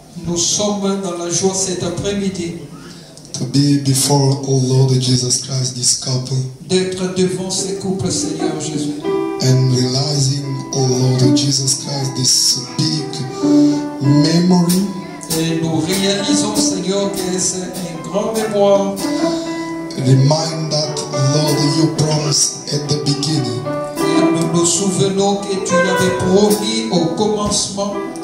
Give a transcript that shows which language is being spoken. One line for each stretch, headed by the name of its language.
French: Nous sommes dans la joie cet après-midi.
English: To be before O Lord Jesus Christ, this couple.
French: D'être devant ce couple, Seigneur Jésus.
English: And realizing, O Lord Jesus Christ, this big memory.
French: Et nous réalisons, Seigneur, que c'est une grande mémoire.
English: Remind that, Lord, you promised at the beginning.
French: Nous souvenons que tu l'avais promis au commencement.